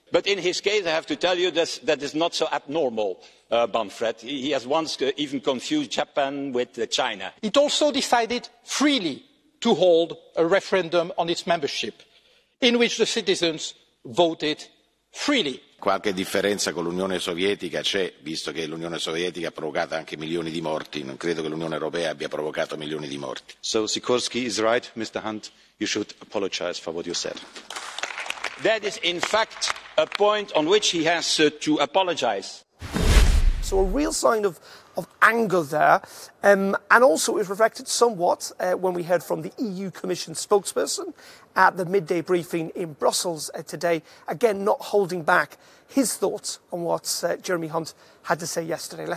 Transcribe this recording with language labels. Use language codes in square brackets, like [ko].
[en] But in his case, I have to tell you that is not so abnormal, Bamfred. He has once even confused Japan with China. It also decided freely to hold a referendum on its membership, in which the citizens voted freely. [it] Qualche differenza con l'Unione Sovietica c'è, visto che l'Unione Sovietica ha provocato anche milioni di morti. Non credo che l'Unione Europea abbia provocato milioni di morti. [en] So Sikorsky is right, Mr. Hunt. You should apologize for what you said. That is in fact a point on which he has to apologize. So a real sign of anger there. And also it reflected somewhat when we heard from the EU Commission spokesperson at the midday briefing in Brussels today, again, not holding back his thoughts on what Jeremy Hunt had to say yesterday.